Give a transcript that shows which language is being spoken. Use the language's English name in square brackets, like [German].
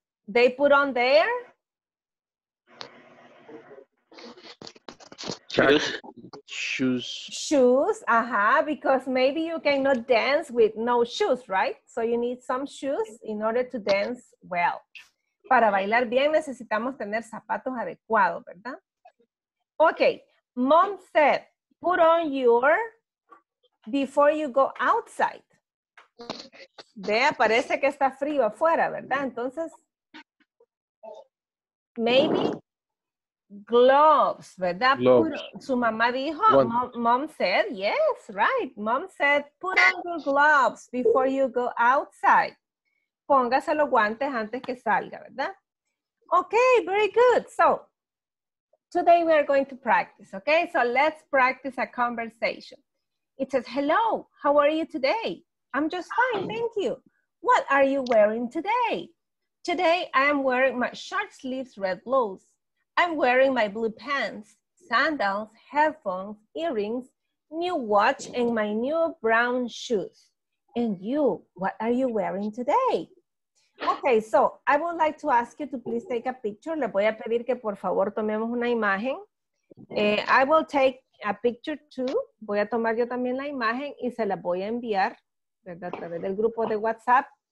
[English] They put on their shoes. Ajá, because maybe you cannot dance with no shoes, right? So you need some shoes in order to dance well. [Spanish] Para bailar bien necesitamos tener zapatos adecuados, ¿verdad? [English] Okay. Mom said, put on your before you go outside. [Spanish] Vea, parece que está frío afuera, ¿verdad? Entonces, [English] maybe gloves, [Spanish] ¿verdad? [English] Gloves. [Spanish] Su mamá dijo, [English] mom said, yes, right. Mom said, put on your gloves before you go outside. [Spanish] Póngase los guantes antes que salga, ¿verdad? [English] Okay, very good. So, today we are going to practice, okay? So, let's practice a conversation. It says, hello, how are you today? I'm just fine, thank you. What are you wearing today? Today, I am wearing my short sleeves red blues. I'm wearing my blue pants, sandals, headphones, earrings, new watch, and my new brown shoes. And you, what are you wearing today? Okay, so I would like to ask you to please take a picture. [Spanish] Le voy a pedir que por favor tomemos una imagen. [English] I will take a picture too. [Spanish] Voy a tomar yo también la imagen y se la voy a enviar, ¿verdad? A través del grupo de WhatsApp.